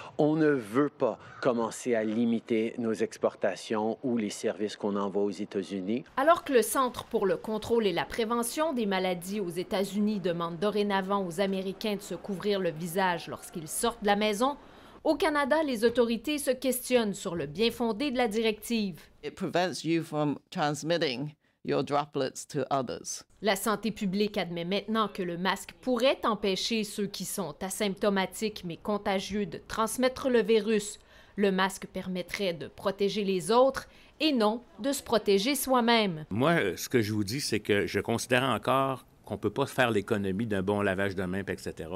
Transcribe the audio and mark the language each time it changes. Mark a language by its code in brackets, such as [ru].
[fr] On ne veut pas commencer à limiter nos exportations ou les services qu'on envoie aux États-Unis. Alors que le Centre pour le contrôle et la prévention des maladies aux États-Unis demande dorénavant aux Américains de se couvrir le visage lorsqu'ils sortent de la maison, au Canada, les autorités se questionnent sur le bien-fondé de la directive. [en] It prevents you from transmitting your droplets to others. [fr] La santé publique admet maintenant que le masque pourrait empêcher ceux qui sont asymptomatiques mais contagieux de transmettre le virus. Le masque permettrait de protéger les autres et non de se protéger soi-même. Moi, ce que je vous dis, c'est que je considère encore qu'on ne peut pas faire l'économie d'un bon lavage de main, etc.